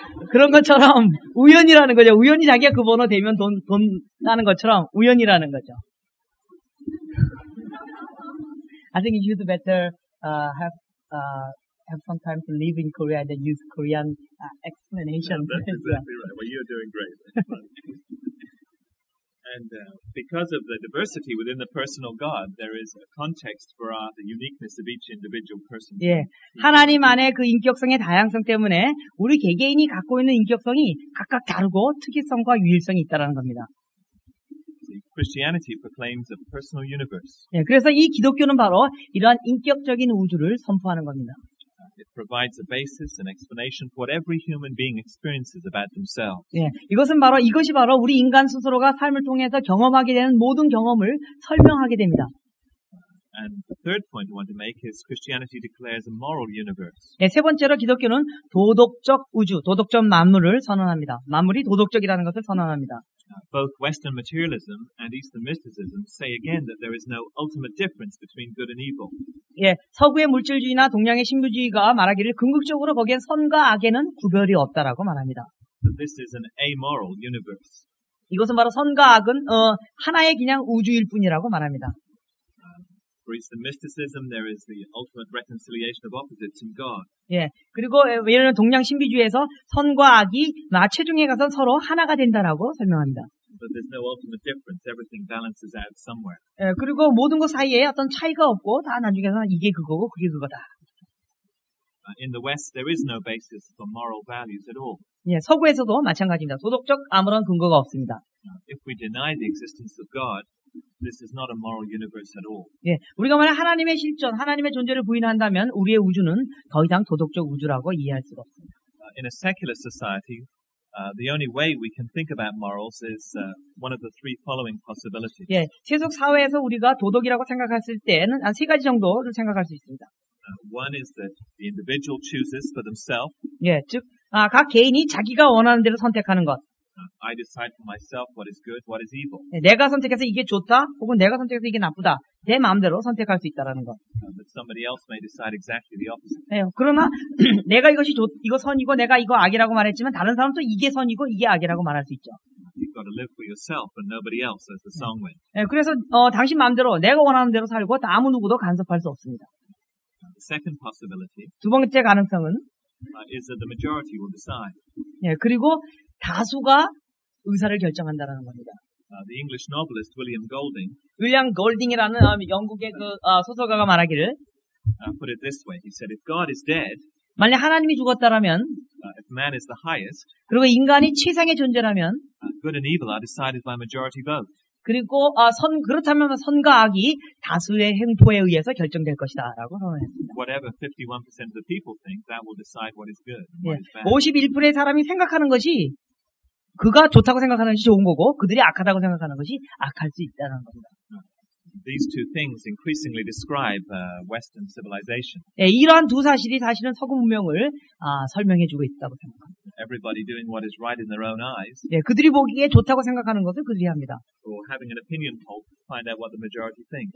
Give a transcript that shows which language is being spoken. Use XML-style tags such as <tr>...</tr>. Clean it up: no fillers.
<ko>그런 것처럼 우연이라는 거죠. 우연히 자기가 그 번호 되면 돈 따는 것처럼 우연이라는 거죠.</ko> <en>I think you'd better have some time to live in Korea and then use Korean explanation. No, that's exactly right. Well, you're doing great. And because of the diversity within the personal God, there is a context for the uniqueness of each individual person.</en> <ko>예, 하나님 안에 그 인격성의 다양성 때문에 우리 개개인이 갖고 있는 인격성이 각각 다르고 특이성과 유일성이 있다라는 겁니다.</ko> <en>Christianity proclaims a personal universe.</en> <ko>예, 그래서 이 기독교는 바로 이러한 인격적인 우주를 선포하는 겁니다.</ko> <en>It provides a basis and explanation for what every human being experiences about themselves.</en> <ko>예, 이것이 바로 우리 인간 스스로가 삶을 통해서 경험하게 되는 모든 경험을 설명하게 됩니다.</ko> <en>And the third point I want to make is Christianity declares a moral universe.</en> <ko>예, 세 번째로 기독교는 도덕적 우주, 도덕적 만물을 선언합니다. 만물이 도덕적이라는 것을 선언합니다.</ko> <en>Both Western materialism and Eastern mysticism say again that there is no ultimate difference between good and evil.</en> <ko>예, 서구의 물질주의나 동양의 신비주의가 말하기를 궁극적으로 거기에 선과 악에는 구별이 없다라고 말합니다.</ko> <en>So this is an amoral universe.</en> <ko>이것은 바로 선과 악은 하나의 그냥 우주일 뿐이라고 말합니다.</ko> <en>For Eastern mysticism, there is the ultimate reconciliation of opposites in God.</en> <ko>예, 그리고 예를 들면 동양 신비주의에서 선과 악이 최종에 가서 서로 하나가 된다라고 설명합니다.</ko> <en>But there's no ultimate difference. Everything balances out somewhere.</en> <ko>예, 그리고 모든 것 사이에 어떤 차이가 없고 다 나중에서 이게 그거고 그게 그거다.</ko> <en>In the West, there is no basis for moral values at all.</en> <ko>예, 서구에서도 마찬가지입니다. 도덕적 아무런 근거가 없습니다.</ko> <en>If we deny the existence of God. this is not a moral universe at all.</en> <ko>예, 우리가 만약 하나님의 실존, 하나님의 존재를 부인한다면 우리의 우주는 더 이상 도덕적 우주라고 이해할 수가 없습니다.</ko> <en>In a secular society, the only way we can think about morals is one of the three following possibilities.</en> <ko>예, 세속 사회에서 우리가 도덕이라고 생각했을 때는 한 세 가지 정도를 생각할 수 있습니다.</ko> <en>One is that the individual chooses for themselves.</en> <ko>예, 즉, 아, 각 개인이 자기가 원하는 대로 선택하는 것.</ko> <en>I decide for myself what is good, what is evil.</en> <ko>예, 내가 선택해서 이게 좋다, 혹은 내가 선택해서 이게 나쁘다, 내 마음대로 선택할 수 있다라는 것.</ko> <en>But somebody else may decide exactly the opposite.</en> <ko>예, 그러나 내가 이것이 이거 선이고 내가 이거 악이라고 말했지만 다른 사람도 이게 선이고 이게 악이라고 말할 수 있죠.</ko> <en>You've got to live for yourself, but nobody else, as the song went.</en> <ko>예, 그래서 당신 마음대로 내가 원하는 대로 살고 아무 누구도 간섭할 수 없습니다.</ko> <en>The second possibility.</en> <ko>두 번째 가능성은.</ko> <en>Is that the majority will decide.</en> <ko>예, 그리고 다수가 의사를 결정한다라는 겁니다.</ko> <en>The English novelist William Golding.</en> <ko>윌리엄 골딩이라는 영국의 그 소설가가 말하기를.</ko> <en>Put it this way. He said, if God is dead.</en> <ko>만약 하나님이 죽었다라면.</ko> <en>If man is the highest.</en> <ko>그리고 인간이 최상의 존재라면.</ko> <en>Good and evil are decided by majority vote.</en> <ko>그리고 그렇다면 선과 악이 다수의 행포에 의해서 결정될 것이다라고 선언했습니다.</ko> <en>Whatever 51% of the people think, that will decide what is good and what is bad.</en> <ko>51%의 사람이 생각하는 것이 그가 좋다고 생각하는 것이 좋은 거고 그들이 악하다고 생각하는 것이 악할 수 있다는 겁니다.</ko> <en>These two things increasingly describe Western civilization.</en> <ko>예, 이러한 두 사실이 사실은 서구 문명을 설명해주고 있다고 생각합니다.</ko> <en>Everybody doing what is right in their own eyes.</en> <ko>예, 그들이 보기에 좋다고 생각하는 것을 그들이 합니다.</ko> <en>Or having an opinion poll to find out what the majority thinks.</en>